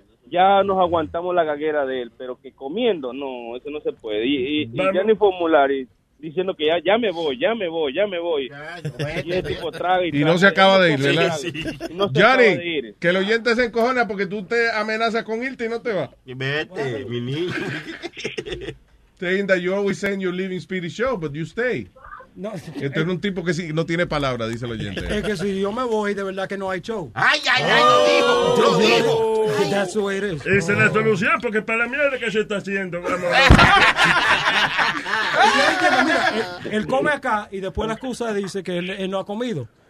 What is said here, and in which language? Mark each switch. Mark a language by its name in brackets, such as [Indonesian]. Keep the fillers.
[Spanish] Ya nos aguantamos la gaguera de él, pero que comiendo, no, eso no se puede. Y, y, y ya ni formulario. Y diciendo que ya, ya, me voy, ya me voy, ya me voy. Ya, no, vete, y, tipo, traga y, traga. y, no se acaba de ir, ¿verdad? ¿no? Sí, sí. No se Yari, acaba de ir. que el oyente se encojona porque tú te amenazas con irte y no te va. Y vete, oh, mi niño. [English] Saying that you always send your leaving Speedy show, but you stay. [Spanish] No. Este es un tipo que sí, no tiene palabra, dice el oyente. Es que si yo me voy, de verdad que no hay show. ¡Ay, ay, ay! Vivo, oh, ¡Lo digo! ¡Lo digo! Esa oh. es la solución, porque para la mierda que se está haciendo. Vamos. A Mira, él, come acá y después la excusa dice que él, él, no ha comido.